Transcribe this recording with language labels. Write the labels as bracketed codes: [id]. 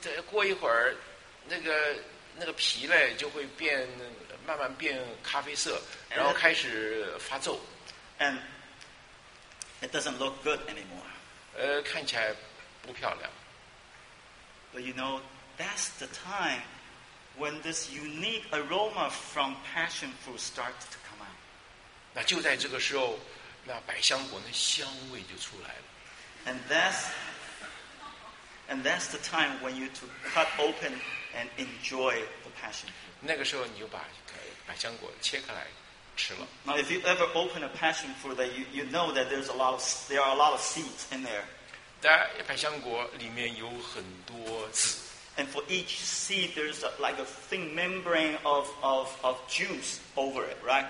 [zh] 过一会儿，那个皮嘞就会慢慢变咖啡色，然后开始发皱。 [en] And it doesn't look good anymore. [zh] 看起来不漂亮。 [en] But you know, that's the time when this unique aroma from passion fruit starts to come out. [zh] 那就在这个时候，那百香果那香味就出来了。 [en] And that's the time when you to cut open and enjoy the passion fruit. [zh] 那个时候你就把百香果切开来吃了。 [en] Now, if you ever open a passion fruit, that you know that there are a lot of seeds in there. [zh] 百香果里面有很多籽。 [en] And for each seed, there's like a thin membrane of juice over it, right?